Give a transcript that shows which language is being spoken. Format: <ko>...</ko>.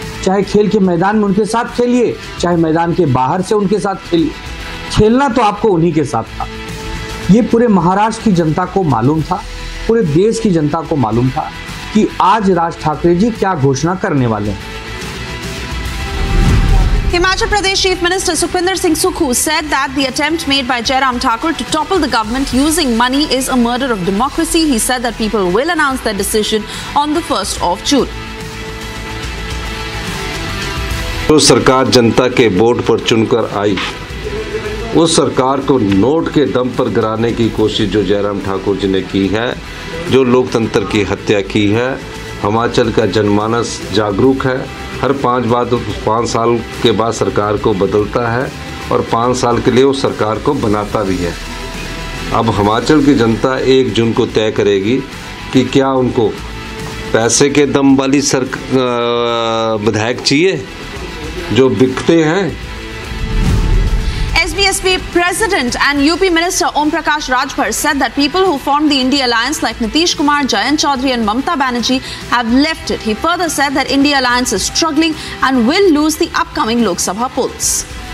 <hi>चाहे खेल के मैदान में उनके साथ खेलिए, चाहे मैदान के बाहर से उनके साथ खेलिए, खेलना तो आपको उन्हीं के साथ था। ये पूरे महाराष्ट्र की जनता को मालूम था, पूरे देश की जनता को मालूम था कि आज राज ठाकरे जी क्या घोषणा करने वाले हैं।</hi> <en>Himachal Pradesh Chief Minister Sukhvinder Singh Sukhu said that the attempt made by Jairam Thakur to topple the government using money is a murder of democracy. He said that people will announce their decision on the 1st of June.</en> <hi>जो सरकार जनता के vote पर चुनकर आई, उस सरकार को note के दम पर गिराने की कोशिश जो जयराम ठाकुर जी ने की है, जो लोकतंत्र की हत्या की है, हिमाचल का जनमानस जागरूक है, हर पांच साल के बाद सरकार को बदलता है और पांच साल के लिए उस सरकार को बनाता भी है। अब हिमाचल की जनता 1 जून को तय करेगी कि क्या उनको पैसे के दम वाली विधायक चाहिए जो बिकते हैं। S</hi> <en>HPSP President and UP Minister Om Prakash Rajbhar said that people who formed the India Alliance like Nitish Kumar, Jayant Chaudhary and Mamata Banerjee have left it. He further said that India Alliance is struggling and will lose the upcoming Lok Sabha polls.</en>